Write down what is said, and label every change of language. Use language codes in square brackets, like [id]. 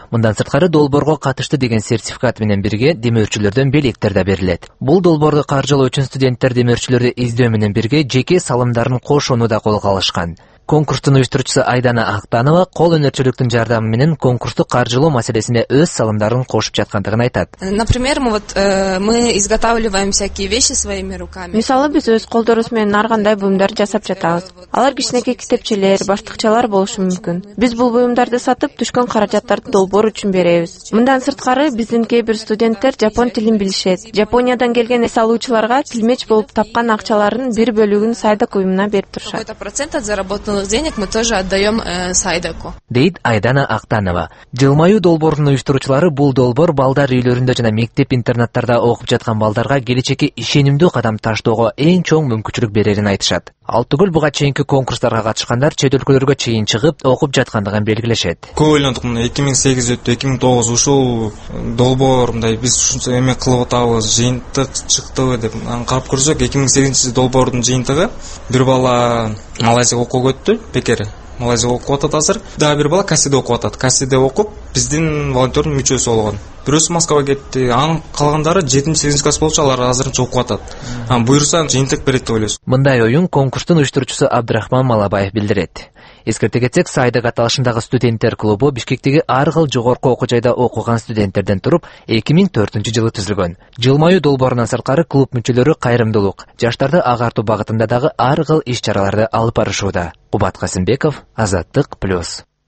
[ky] Мындан сырткары долбоорго катышты деген сертификат менен бирге демөөрчүлөрдөн белектер да берилет. Бул долбоорду каржылоо үчүн студенттер демөөрчүлөрдү издөө менен бирге жеке салымдарын кошууну да колго алышкан. Конкурстун уюштуруучусу Айдана Актанова кол өнөрчүлүктүн жардамы менен конкурсту каржылоо маселесине өз салымдарын кошуп жаткандыгын айтат. [ru] Например, мы изготавливаем всякие вещи своими руками. [ky] Мисалы, биз өз колдорубуз менен ар кандай буюмдар жасап жатабыз. Алар кичинекей китепчелер, баштыкчалар болушу мүмкүн. Биз бул буюмдарды сатып, түшкөн каражаттарды долбоор үчүн беребиз. Мындан сырткары, биздин кээбир студенттер жапон тилин билишет. Жапониядан келген эс алуучуларга тилмеч болуп тапкан акчаларынын бир бөлүгүн Сайдак уюмуна берип турушат. [ru] Какой-то процент от заработки денег мы тоже отдаем Сайдаку. [ky] Дейт Айдана Актанова. Жылмаюу долбоорунун уюштуруучулары бул долбоор балдар үйлөрүндө жана мектеп интернаттарда окуп жаткан балдарга келечекке ишенимдүү кадам таштоого эң чоң мүмкүнчүлүк берерин айтышат. Ал түгүл буга чейинки конкурстарга катышкандар чет өлкөлөргө чейин чыгып окуп жаткандыгын белгилешет. Көп ойлондук, 2008 өттү, 2009 ушул долбоор мындай биз ушунча эме кылып атабыз, жыйынтык чыктыбы деп аны карап көрсөк, 2008 долбоордун жыйынтыгы бир бала Малайзияга окууга өттү, Бекери Малайзияга окуп атат азыр. Дагы бир бала Касиде окуп атат. Касиде окуп биздин волонтёрдун мүчөсү болгон. Бирөөсү Москвага кетти, анын калгандары 7-8 класс болчу, алар азырынча окуп атат. Анан буюрса жыйынтык берет деп ойлойсуз. Мындай оюн конкурстун уюштуруучусу Абдрахман Малабаев билдирет. Эскерте кетсек, Сайдак аталышындагы студенттер клубу Бишкектеги ар кыл жогорку окуу жайда окуган студенттерден туруп 2004 жылы түзүлгөн. Жылмаюу долбоорунан сырткары клуб мүчөлөрү кайрымдуулук, жаштарды агартуу багытында дагы ар кыл иш чараларды алып барышууда. Кубат Касымбеков, Азаттык Плюс.